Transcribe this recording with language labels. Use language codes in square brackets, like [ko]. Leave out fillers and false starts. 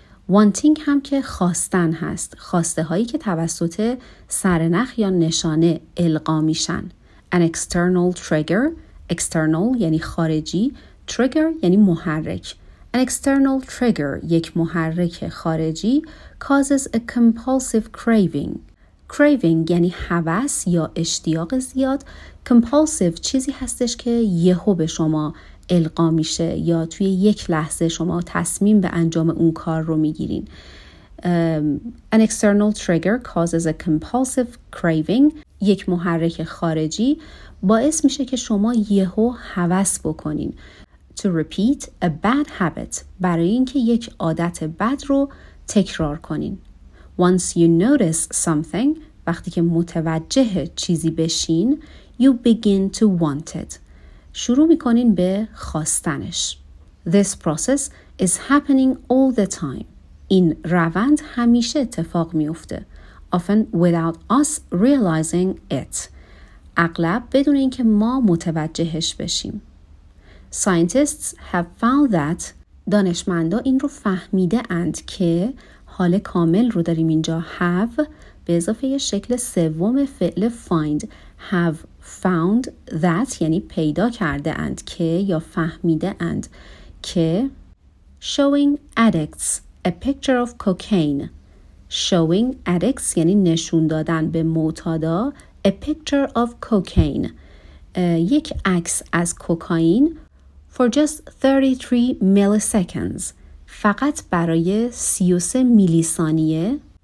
[fa] Wanting هم که خواستن هست. خواسته هایی که توسط سرنخ یا نشانه القا میشن. [en] An external trigger. [fa] External یعنی خارجی. Trigger یعنی محرک. [en] An external trigger [fa] یک محرک خارجی [en] causes a compulsive craving. [fa] Craving یعنی هوس یا اشتیاق زیاد. Compulsive چیزی هستش که یهو به شما القا میشه یا توی یک لحظه شما تصمیم به انجام اون کار رو میگیرین. [en] An external trigger causes a compulsive craving. [fa] یک محرک خارجی باعث میشه که شما یهو هوس بکنین. [en] To repeat a bad habit [fa] برای اینکه یک عادت بد رو تکرار کنین. [en] Once you notice something [fa] وقتی که متوجه چیزی بشین [en] you begin to want it. [fa] شروع میکنین به خواستنش. [en] This process is happening all the time. [fa] این روند همیشه اتفاق میفته. [en] Often without us realizing it. [fa] اغلب بدون اینکه ما متوجهش بشیم. [en] Scientists have found that [fa] دانشمندا این رو فهمیده اند که حال کامل رو داریم اینجا have به اضافه شکل سوم فعل find. [en] Have found that [fa] یعنی پیدا کرده اند که یا فهمیده اند که [en] showing addicts a picture of cocaine. Showing addicts [fa] یعنی نشون دادن به معتادا [en] a picture of cocaine [fa] یک عکس از کوکائین [en] for just 33 milliseconds [fa] فقط برای 33 میلی ثانیه